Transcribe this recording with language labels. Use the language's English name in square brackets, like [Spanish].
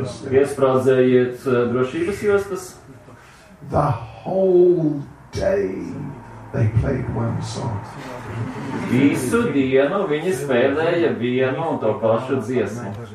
[Latvian] Iesprādzējiet drošības jostas. [English] The whole day they played one song. [Latvian] Visu dienu viņi spēlēja vienu un to pašu dziesmu.